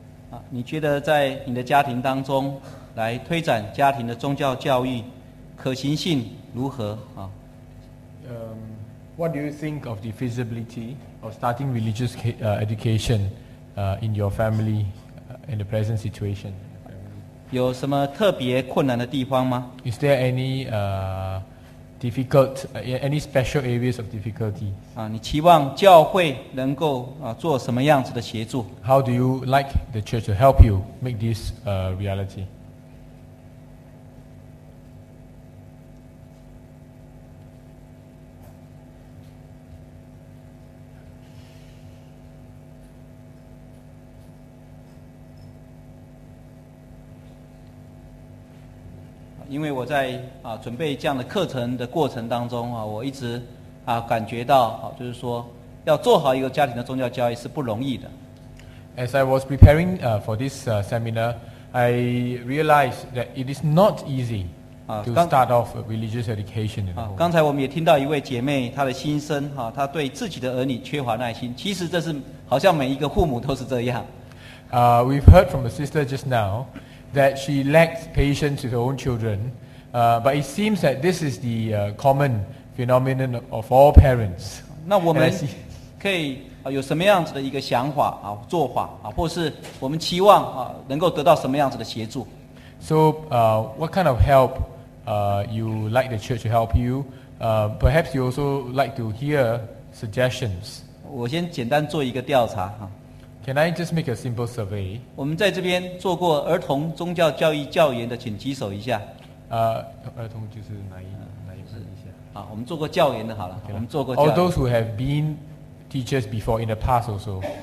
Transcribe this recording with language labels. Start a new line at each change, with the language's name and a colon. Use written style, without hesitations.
Chinese: 啊，你觉得在你的家庭当中来推展家庭的宗教教育可行性如何？啊
English: What do you think of the feasibility of starting religious education in your family in the present situation?
Chinese: 有什么特别困难的地方吗？
English: Is there any difficult any special areas of difficulty?
Chinese: 啊，你期望教会能够啊做什么样子的协助？
English: How do you like the church to help you make this reality?
Chinese: 因为我在啊准备这样的课程的过程当中啊，我一直啊感觉到啊，就是说要做好一个家庭的宗教教育是不容易的。
English: As I was preparing for this seminar, I realized that it is not easy to start off a religious education.
Chinese: 刚才我们也听到一位姐妹她的心声哈，她对自己的儿女缺乏耐心。其实这是好像每一个父母都是这样。
English: We've heard from a sister just now. That she lacks patience with her own children, but it seems that this is the common phenomenon of all parents.
Chinese: 那我们可以有什么样子的一个想法啊，做法啊，或是我们期望啊，能够得到什么样子的协助
English: ？So, what kind of help you like the church to help you? Perhaps you also like to hear suggestions.
Chinese: 我先简单做一个调查啊。
English: Can I just make a simple survey?
Chinese: 我们在这边做过儿童宗教教育教员的，请举手一下。儿童就是哪一下？好，我们做过教员的，好了，
English: okay.
Chinese: 我们做过教员。
English: All those who have been teachers before in the past also.